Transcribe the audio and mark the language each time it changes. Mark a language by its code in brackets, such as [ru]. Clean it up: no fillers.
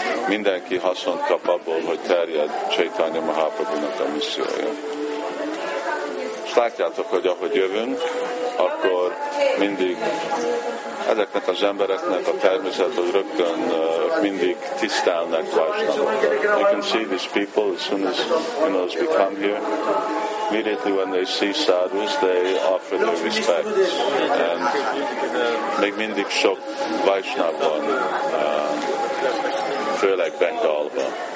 [hu] Mindenki haszont kap abból, hogy terjed Chaitanya Mahaprabhunak a missziója. És látjátok, hogy ahogy jövünk, akkor mindig ezeknek az embereknek a természet, hogy rögtön mindig tisztelnek Vaisnavokat. [en] You can see these people as soon as you know, we come here. Immediately when they see sadhus, they offer their respects. [hu] And még mindig sok Vaisnavon, főleg Bengalban.